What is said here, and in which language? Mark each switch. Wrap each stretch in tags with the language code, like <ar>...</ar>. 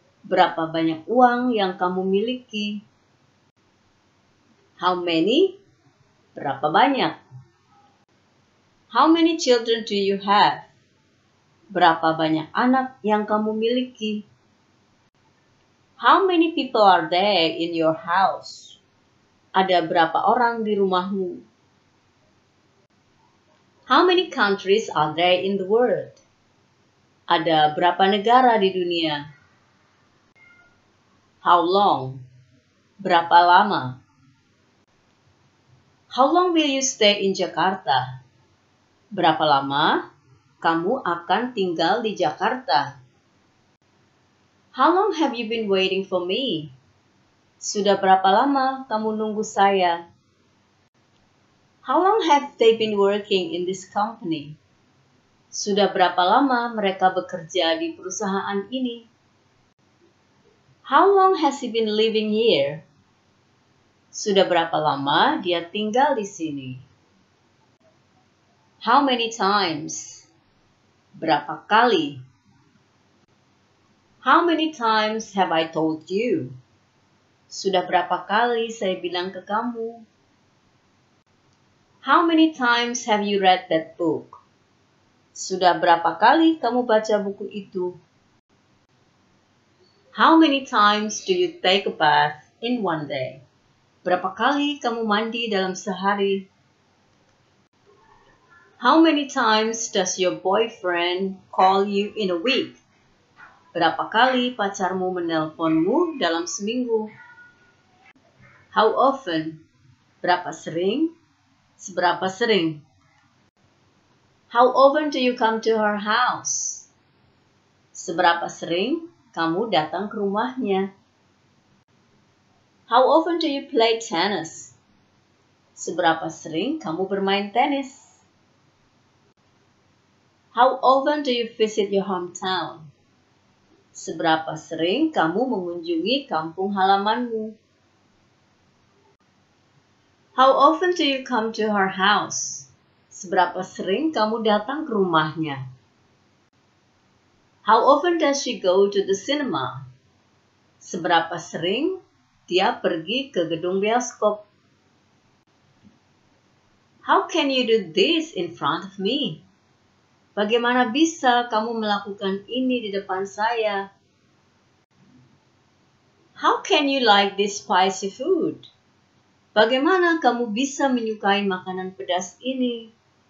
<id>Berapa banyak uang yang kamu miliki?</id> <en>How many?</en> <id>Berapa banyak?</id> <en>How many children do you have?</en> <id>Berapa banyak anak yang kamu miliki?</id> <en>How many people are there in your house?</en> <id>Ada berapa orang di rumahmu?</id> <en>How many countries are there in the world?</en> <id>Ada berapa negara di dunia?</id> <en>How long?</en> <id>Berapa lama?</id> <en>How long will you stay in Jakarta?</en> <id>Berapa lama kamu akan tinggal di Jakarta?</id> <en>How long have you been waiting for me?</en> <id>Sudah berapa lama kamu nunggu saya?</id> <en>How long have they been working in this company?</en> <id>Sudah berapa lama mereka bekerja di perusahaan ini?</id> <en>How long has he been living here?</en> <id>Sudah berapa lama dia tinggal di sini?</id> <en>How many times?</en> <id>Berapa kali?</id> <en>How many times have I told you?</en> <id>Sudah berapa kali saya bilang ke kamu?</id> <en>How many times have you read that book?</en> <id>Sudah berapa kali kamu baca buku itu?</id> <en>How many times do you take a bath in one day?</en> <id>Berapa kali kamu mandi dalam sehari?</id> <en>How many times does your boyfriend call you in a week?</en> <id>Berapa kali pacarmu menelponmu dalam seminggu?</id> <en>How often?</en> <id>Berapa sering? Seberapa sering?</id> <en>How often do you come to her house?</en> <id>Seberapa sering kamu datang ke rumahnya?</id> <en>How often do you play tennis?</en> <id>Seberapa sering kamu bermain tenis?</id> <en>How often do you visit your hometown?</en> <id>Seberapa sering kamu mengunjungi kampung halamanmu?</id> <en>How often do you come to her house?</en> <id>Seberapa sering kamu datang ke rumahnya?</id> <en>How often does she go to the cinema?</en> <id>Seberapa sering dia pergi ke gedung bioskop?</id> <en>How can you do this in front of me?</en> <id>Bagaimana bisa kamu melakukan ini di depan saya?</id> <en>How can you like this spicy food?</en> <id>Bagaimana kamu bisa menyukai makanan pedas ini?</id>